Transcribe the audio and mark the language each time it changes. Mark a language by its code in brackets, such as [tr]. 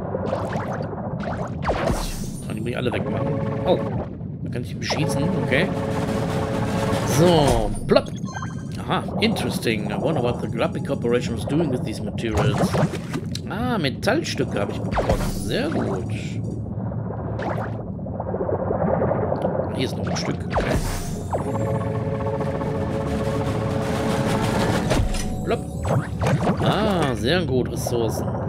[de] Aha. Kann ich mich alle wegmachen? Oh. Da kann ich ihn beschießen. Okay. So. Plop. Aha. [en] Interesting. I wonder what the Grappi Corporation was doing with these materials. [de] Ah, Metallstücke habe ich bekommen. Sehr gut. Hier ist noch ein Stück. Plop. Ah, sehr gut, Ressourcen.